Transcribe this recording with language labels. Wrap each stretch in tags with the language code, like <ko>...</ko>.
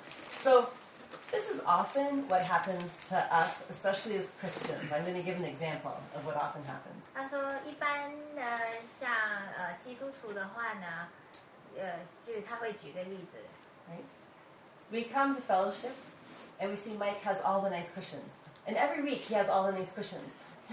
<en>So, this is often what happens to us, especially as Christians. I'm going to give an example of what often happens.</en> <zh>他说，一般像基督徒的话呢，就是他会举个例子。</zh> <en>We come to fellowship, and we see Mike has all the nice cushions, and every week he has all the nice cushions.</en>